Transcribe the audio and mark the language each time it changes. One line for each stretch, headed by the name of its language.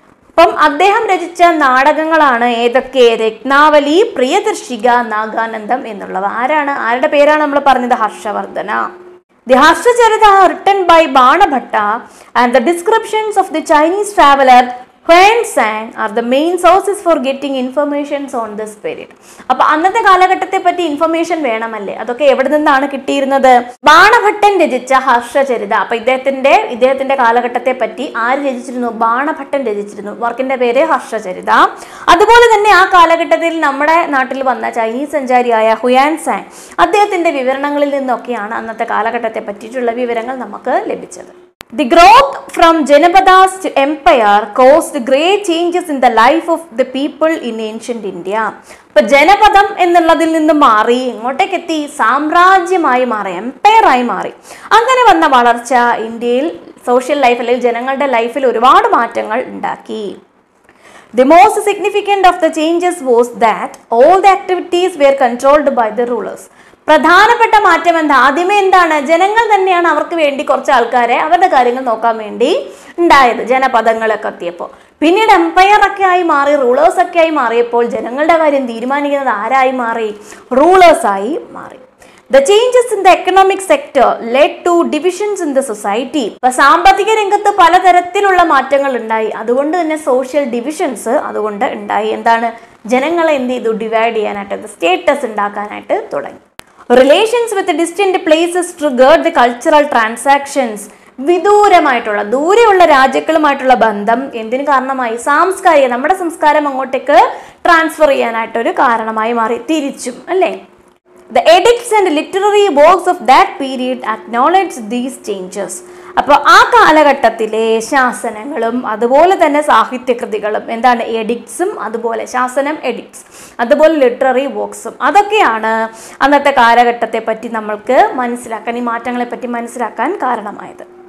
Malayalam: അപ്പം അദ്ദേഹം രചിച്ച നാടകങ്ങളാണ് ഏതൊക്കെ? രത്നാവലി, പ്രിയദർശിക, നാഗാനന്ദം എന്നുള്ളത്. ആരാണ്, ആരുടെ പേരാണ് നമ്മൾ പറഞ്ഞത്?
English: Harshavardhana. The Harshacharita written by Banabhatta and the descriptions of the Chinese traveller Hiuen Parents sang are the main sources for getting information on the spirit.
Malayalam: അപ്പോൾ അന്നത്തെ കാലഘട്ടത്തെ പറ്റി ഇൻഫർമേഷൻ വേണമല്ലേ? അതൊക്കെ എവിടെ നിന്നാണ് കിട്ടിയിരുന്നത്? ബാണഭട്ടൻ രചിച്ച ഹർഷചരിത. അപ്പോൾ ഇദ്ദേഹത്തിന്റെ കാലഘട്ടത്തെ പറ്റി ആര് രചിച്ചിരുന്നു? ബാണഭട്ടൻ രചിച്ചിരുന്നു. വർക്കിന്റെ പേര് ഹർഷചരിത. അതുപോലെ തന്നെ ആ കാലഘട്ടത്തിൽ നമ്മുടെ നാട്ടിൽ വന്ന ചൈനീസ് സഞ്ചാരിയായ ഹുയാൻ സാങ്, അദ്ദേഹത്തിന്റെ വിവരണങ്ങളിൽ നിന്നൊക്കെയാണ് അന്നത്തെ കാലഘട്ടത്തെ പറ്റിയിട്ടുള്ള വിവരങ്ങൾ നമുക്ക് ലഭിച്ചത്.
English: The growth from Janapadas to empire caused great changes in the life of the people in ancient India.
Malayalam: അപ്പൊ ജനപദം എന്നുള്ളതിൽ നിന്ന് മാറി ഇങ്ങോട്ടേക്ക് എത്തി സാമ്രാജ്യമായി മാറി, എംപയറായി മാറി. അങ്ങനെ വന്ന വളർച്ച ഇന്ത്യയിൽ സോഷ്യൽ ലൈഫ് അല്ലെങ്കിൽ ജനങ്ങളുടെ ലൈഫിൽ ഒരുപാട് മാറ്റങ്ങൾ ഉണ്ടാക്കി.
English: The most significant of the changes was that all the activities were controlled by the rulers.
Malayalam: പ്രധാനപ്പെട്ട മാറ്റം എന്താ? ആദ്യമേ എന്താണ്? ജനങ്ങൾ തന്നെയാണ് അവർക്ക് വേണ്ടി കുറച്ച് ആൾക്കാരെ അവരുടെ കാര്യങ്ങൾ നോക്കാൻ വേണ്ടി ഉണ്ടായത്, ജനപദങ്ങളൊക്കെ എത്തിയപ്പോൾ. പിന്നീട് എംപയറൊക്കെ ആയി മാറി, റൂളേഴ്സൊക്കെ ആയി മാറിയപ്പോൾ ജനങ്ങളുടെ കാര്യം തീരുമാനിക്കുന്നത് ആരായി മാറി? റൂളേഴ്സായി മാറി.
English: The changes in the economic sector led to divisions in the society.
Malayalam: അപ്പൊ സാമ്പത്തിക രംഗത്ത് പലതരത്തിലുള്ള മാറ്റങ്ങൾ ഉണ്ടായി, അതുകൊണ്ട് തന്നെ സോഷ്യൽ ഡിവിഷൻസ് അതുകൊണ്ട് ഉണ്ടായി. എന്താണ്? ജനങ്ങളെ എന്ത് ചെയ്തു? ഡിവൈഡ് ചെയ്യാനായിട്ട്, സ്റ്റേറ്റസ് ഉണ്ടാക്കാനായിട്ട് തുടങ്ങി.
English: Relations with distant places triggered the cultural transactions.
Malayalam: വിദൂരമായിട്ടുള്ള, ദൂരെയുള്ള രാജ്യങ്ങളുമായിട്ടുള്ള ബന്ധം എന്തിനു കാരണമായി? സാംസ്കാരിക, നമ്മുടെ സംസ്കാരം അങ്ങോട്ടേക്ക് ട്രാൻസ്ഫർ ചെയ്യാനായിട്ടൊരു കാരണമായി മാറി, തിരിച്ചും അല്ലേ.
English: The edicts and literary works of that period acknowledged these changes.
Malayalam: അപ്പോൾ ആ കാലഘട്ടത്തിലെ ശാസനങ്ങളും അതുപോലെ തന്നെ സാഹിത്യകൃതികളും, എന്താണ്, എഡിക്ട്സും, അതുപോലെ ശാസനം എഡിക്ട്സ്, അതുപോലെ ലിറ്റററി വർക്ക്സും, അതൊക്കെയാണ് അന്നത്തെ കാലഘട്ടത്തെ പറ്റി നമ്മൾക്ക് മനസ്സിലാക്കാൻ, ഈ മാറ്റങ്ങളെ പറ്റി മനസ്സിലാക്കാൻ കാരണമായത്.